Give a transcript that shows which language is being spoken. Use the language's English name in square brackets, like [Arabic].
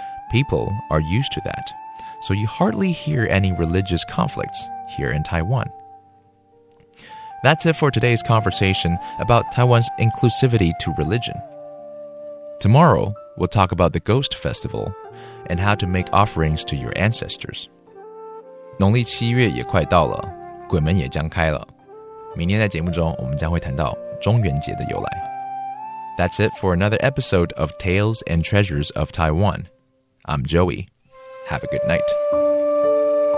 [English] People are used to that, so you hardly hear any religious conflicts here in Taiwan. That's it for today's conversation about Taiwan's inclusivity to religion. Tomorrow, we'll talk about the Ghost Festival and how to make offerings to your ancestors. [Chinese] 农历七月也快到了，鬼门也将开了。明天在节目中，我们将会谈到中元节的由来。 [English] That's it for another episode of Tales and Treasures of Taiwan. I'm Joey. Have a good night.